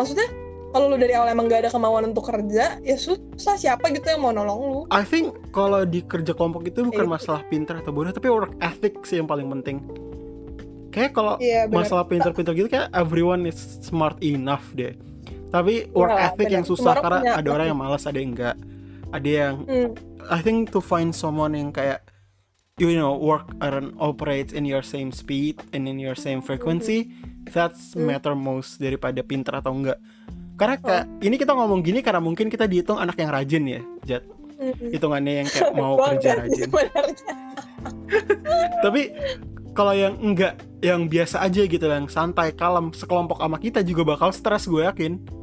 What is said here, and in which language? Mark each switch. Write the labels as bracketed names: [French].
[Indonesian] Maksudnya kalau lo dari awal emang gak ada kemauan untuk kerja, ya susah, siapa gitu yang mau nolong lo. [English] I think [Indonesian] kalau di kerja kelompok itu bukan masalah pinter atau bodoh, tapi work ethic sih yang paling penting. Kayak kalau masalah pinter-pinter gitu, kayak [English] everyone is smart enough [Indonesian] deh. Tapi work ethic yang susah, karena punya, ada orang yang malas, ada yang enggak. Ada yang [English] I think to find someone [Indonesian] yang kayak, [English] you know, work and operate in your same speed and in your same frequency, that's matter most [Indonesian] daripada pinter atau enggak. Karena kayak ini kita ngomong gini karena mungkin kita dihitung anak yang rajin ya, Jet. Hitungannya yang kayak mau kerja rajin. Tapi kalau yang enggak, yang biasa aja gitu, yang santai, kalem, sekelompok sama kita juga bakal stres, gue yakin.